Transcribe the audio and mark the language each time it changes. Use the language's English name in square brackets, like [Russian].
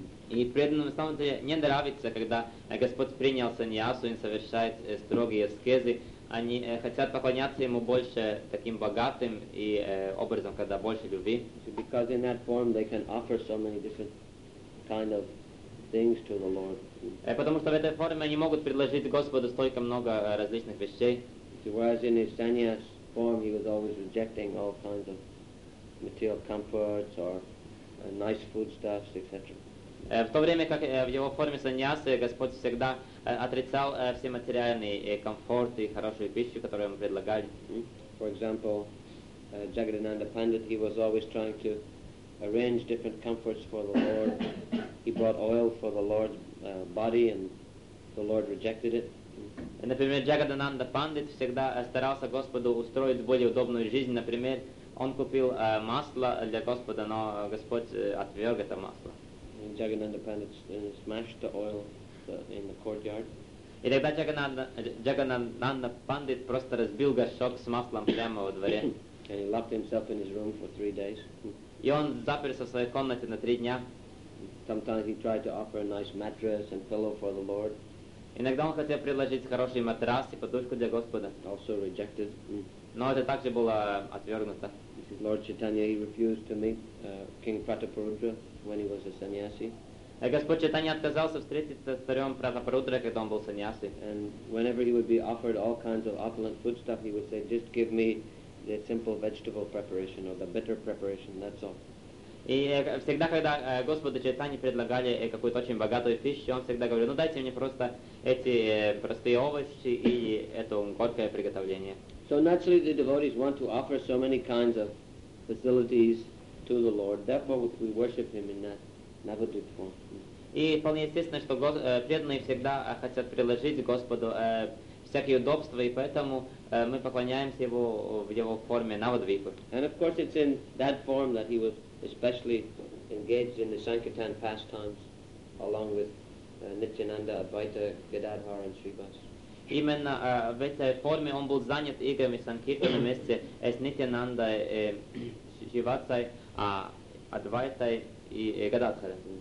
[Russian] И преданным на самом деле не нравится, когда Господь принял саньясу и совершает строгие аскезы. Они хотят поклоняться ему больше таким богатым и образом, когда больше любви. [English] Because in that form they can offer so many different kind of things to the Lord. [Russian] Потому что в этой форме они могут предложить Господу столько много различных вещей. [English] Whereas in his sannyas form he was always rejecting all kinds of material comforts or nice foodstuffs, etc. [Russian] В то время как в его форме саньясы Господь всегда отрицал все материальные комфорты и хорошую пищу, которую ему предлагали. [English] For example, Jagadananda Pandit, he was always trying to arrange different comforts for the Lord. He brought oil for the Lord's body and the Lord rejected it. [Russian] Например, Jagadananda Pandit всегда старался Господу устроить более удобную жизнь. Например, он купил масло для Господа, но Господь отверг это масло. [English] And Jagannanda Pandit smashed the oil in the courtyard. [Russian] И тогда Jagannanda Pandit просто разбил горшок с маслом прямо во дворе. [English] And he locked himself in his room for 3 days. [Russian] И он заперся в своей комнате на 3 дня. [English] Sometimes he tried to offer a nice mattress and pillow for the Lord. [Russian] Иногда он хотел предложить хороший матрас и подушку для Господа. [English] Also rejected. [Russian] Но это также было отвергнуто. [English] Lord Chaitanya, he refused to meet King Prataparudra when he was a sannyasi. [Russian] Господь Чайтанья отказался встретиться с царем Пратапарудра, когда он был саньяси. [English] And whenever he would be offered all kinds of opulent foodstuff, he would say, just give me the simple vegetable preparation or the bitter preparation, that's all. [Russian] И всегда, когда Господу Чайтанье предлагали какую-то очень богатую пищу, он всегда говорил, ну дайте мне просто эти простые овощи и это горькое приготовление. [English] So naturally the devotees want to offer so many kinds of facilities to the Lord. Therefore we worship him in that Navadvip form. [Russian] И вполне естественно, что преданные всегда хотят приложить Господу всякие удобства, и поэтому мы поклоняемся Его в Его форме Навадвипа. [English] And of course it's in that form that he was especially engaged in the Sankirtan pastimes along with Nityananda, Advaita, Gadadhar and Srivas. [Russian] Именно в этой форме он был занят играми Санкиртана вместе с Нитянандой, Шивацой, Адвайтой и Гададхарой.